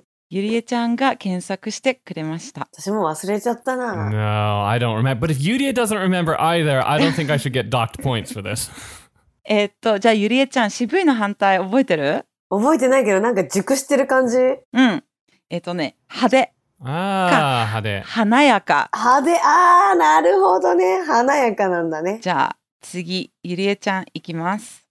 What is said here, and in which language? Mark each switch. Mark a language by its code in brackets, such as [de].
[ja] ゆりえちゃんが検索してくれました。私も忘れちゃったな。 [en] No, I don't remember. But if Yurie doesn't remember either, I don't think I should get docked points for this. [ja] じゃあゆりえちゃん、渋いの反対覚えてる？覚えてないけど、なんか熟してる感じ？うん。ね、派手。ああ、派手。華やか。派手、ああ、なるほどね。華やかなんだね。じゃあ、次、ゆりえちゃん、行きます。